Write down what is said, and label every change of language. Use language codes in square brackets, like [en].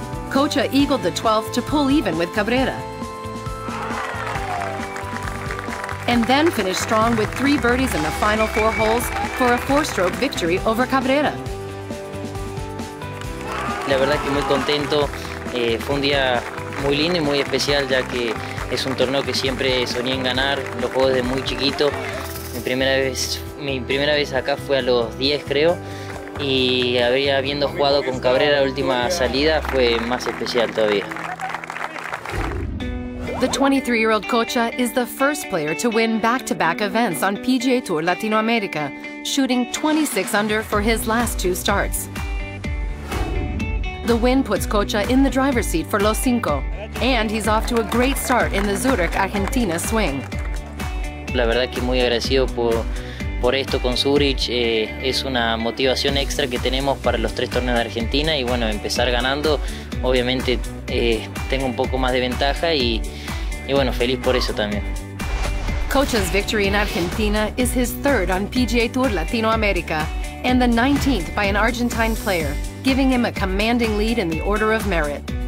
[en] Cocha eagled the 12th to pull even with Cabrera, and then finished strong with three birdies in the final four holes for a four-stroke victory over Cabrera. [es] La verdad que muy contento. Fue un día muy lindo y muy especial, ya que es un torneo que siempre soñé en ganar. Lo juego desde muy chiquito. Mi primera vez acá fue a los 10, creo. Y habiendo jugado con Cabrera la última salida fue más especial todavía. [en] The 23-year-old Cocha is the first player to win back-to-back events on PGA Tour Latinoamérica, shooting 26 under for his last two starts. The win puts Cocha in the driver's seat for Los Cinco, and he's off to a great start in the Zurich Argentina Swing. [es] La verdad que muy agradecido por esto con Zurich. Es una motivación extra que tenemos para los tres torneos de Argentina, y bueno, empezar ganando, obviamente tengo un poco más de ventaja y bueno, feliz por eso también. [en] Cocha's victory in Argentina is his third on PGA Tour Latinoamérica and the 19th by an Argentine player, giving him a commanding lead in the order of merit.